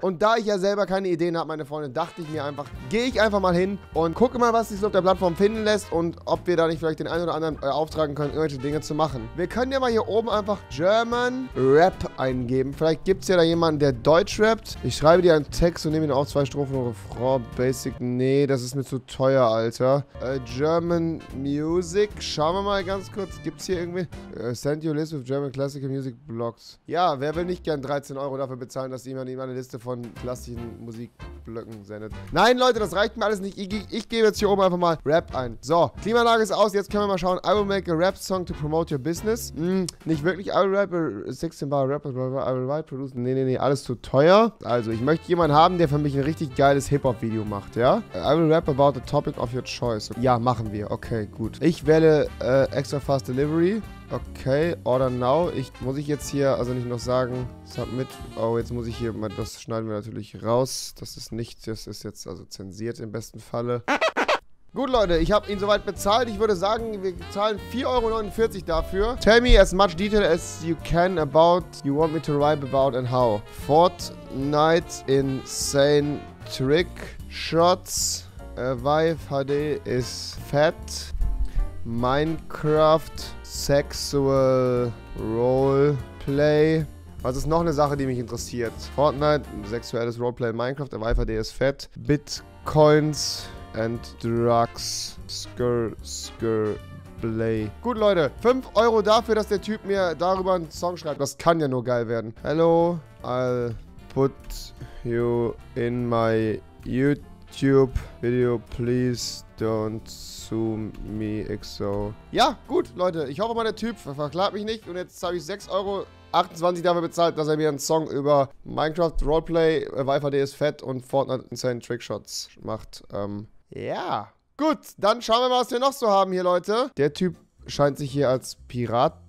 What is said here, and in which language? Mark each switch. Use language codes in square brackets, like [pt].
[de] Und da ich ja selber keine Ideen habe, meine Freunde, dachte ich mir einfach, gehe ich einfach mal hin und gucke mal, was sich so auf der Plattform finden lässt und ob wir da nicht vielleicht den einen oder anderen auftragen können, irgendwelche Dinge zu machen. Wir können ja mal hier oben einfach German Rap eingeben. Vielleicht gibt es ja da jemanden, der Deutsch rappt. Ich schreibe dir einen Text und nehme ihn auf, zwei Strophen und Refrain. Basic, nee, das ist mir zu teuer, Alter. German Music. Schauen wir mal ganz kurz. Gibt es hier irgendwie... [en] Send your list with German Classical Music Blocks. [de] Ja, wer will nicht gern 13 Euro dafür bezahlen, dass jemand ihm eine Liste von klassischen Musikblöcken sendet? Nein, Leute, das reicht mir alles nicht. Ich gebe jetzt hier oben einfach mal Rap ein. So, Klimaanlage ist aus. Jetzt können wir mal schauen. [en] I will make a rap song to promote your business. [de] Nicht wirklich. [en] I will rap a 16-bar rapper. I will write, produce. [de] Nee. Alles zu teuer. Also, ich möchte jemanden haben, der für mich ein richtig geiles Hip-Hop-Video macht, ja? [en] I will rap about the topic of your choice. [de] Ja, machen wir. Okay, gut. Ich wähle [en] extra fast delivery. Okay, order now. [de] Muss ich jetzt hier also nicht noch sagen, submit. Oh, jetzt muss ich hier mal, das schneiden wir natürlich raus. Das ist nichts. Das ist jetzt also zensiert im besten Falle. Gut, Leute, ich habe ihn soweit bezahlt. Ich würde sagen, wir zahlen 4,49 € dafür. [en] Tell me as much detail as you can about you want me to rhyme about and how. Fortnite insane trick shots. Vive HD is fat. Minecraft sexual role play. [de] Was ist noch eine Sache, die mich interessiert? Fortnite, sexuelles Roleplay in Minecraft. [en] Vive HD is fat. [de] Bitcoins. [en] And drugs. Skr, skr, blay. [de] Gut, Leute. 5 Euro dafür, dass der Typ mir darüber einen Song schreibt. Das kann ja nur geil werden. [en] Hello, I'll put you in my YouTube video. Please don't sue me, XO. [de] Ja, gut, Leute. Ich hoffe mal, der Typ verklagt mich nicht. Und jetzt habe ich 6,28 € dafür bezahlt, dass er mir einen Song über Minecraft Roleplay, Vive HD ist fett und Fortnite Insane Trickshots macht. Ja. Gut, dann schauen wir mal, was wir noch so haben hier, Leute. Der Typ scheint sich hier als Pirat